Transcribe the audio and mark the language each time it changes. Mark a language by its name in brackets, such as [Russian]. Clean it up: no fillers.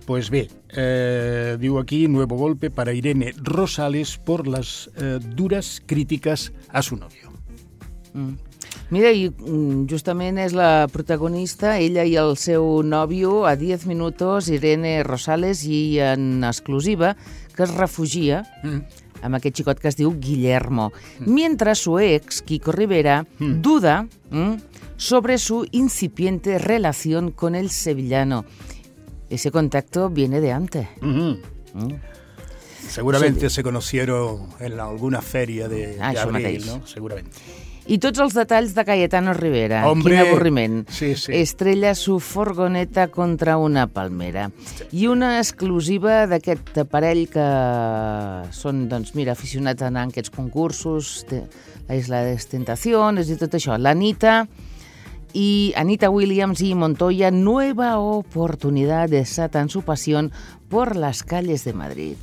[Catalan] Pues bé, diu aquí, [Spanish] nuevo golpe para Irene Rosales por las duras críticas a su novio. [Catalan] Mira, i justament és la protagonista, ella i el seu nòvio, a 10 minuts, Irene Rosales, i en exclusiva, que es refugia amb aquest xicot que es diu Guillermo. [Spanish] Mentre su ex, Kiko Rivera, duda sobre su incipiente relación con el sevillano. Ese contacto viene de antes. Seguramente se conocieron en alguna feria de abril, ¿no? Seguramente. [Catalan] I tots els detalls de Cayetano Rivera. [Spanish] Hombre. [Catalan] Quin avorriment. Sí, sí. [Spanish] Estrella su furgoneta contra una palmera. [Catalan] I una exclusiva d'aquest parell que són, doncs, mira, aficionats a anar a aquests concursos, la Isla de Tentaciones i tot això. [Spanish] L'Anita i Anita Williams i Montoya, nueva oportunidad de desatan su pasión por las calles de Madrid.